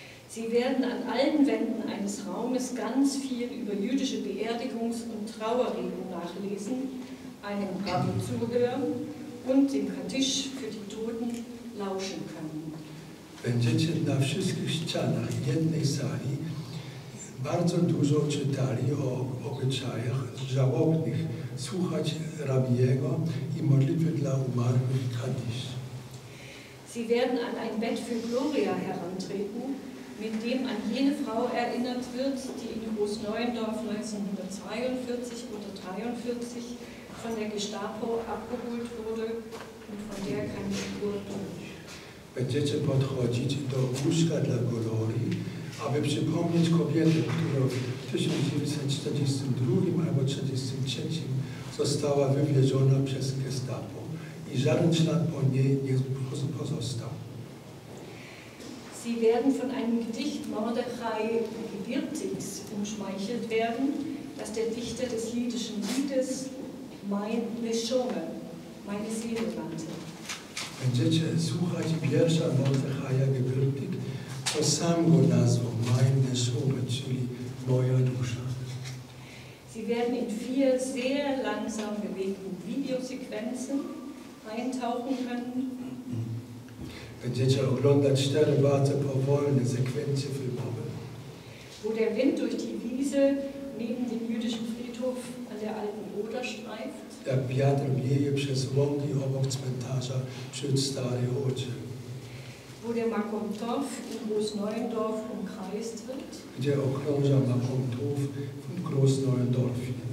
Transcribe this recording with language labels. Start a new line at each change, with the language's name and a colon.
German: Sie werden an allen Wänden eines Raumes ganz viel über jüdische Beerdigungs- und Trauerreden nachlesen, einem Rabbi zuhören und dem Kaddisch für die Toten lauschen können.
Polish: Będziecie na wszystkich ścianach jednej sali bardzo dużo czytali o obyczajach żałobnych, słuchać rabiego i modlitwy dla umarłych Kaddisz.
German: Sie werden an ein Bett für Gloria herantreten, mit dem an jene Frau erinnert wird, die in Großneuendorf 1942 oder 1943 von der Gestapo abgeholt wurde und von der keine Spur durch.
Polish: Będziecie podchodzić do łóżka dla Glorii, aby przypomnieć kobietę, która w 1942 albo 1943 została wywieziona przez Gestapo i żaden ślad po niej nie pozostał.
German: Sie werden von einem Gedicht Mordechai Gewirtigs umschmeichelt werden, das der Dichter des jüdischen Liedes meine Seele nannte.
Polish: Będziecie słuchać wiersza Mordechaja Gewirtig, co sam go nazwał
German: meine Seele,
Polish: czyli moja dusza.
German: Sie werden in vier sehr langsam bewegten Videosequenzen eintauchen können.
Polish: Będziecie oglądać cztery bardzo powolne sekwencje filmowe.
German: Wo der Wind durch die Wiese neben dem jüdischen Friedhof an der alten Oder streift.
Polish: Jak wiatr wieje przez łąki obok cmentarza przy Starej Odrze.
German: Wo der Makomtow in Großneuendorf umkreist wird.
Polish: Gdzie okrąża Makomtow w Großneuendorfie.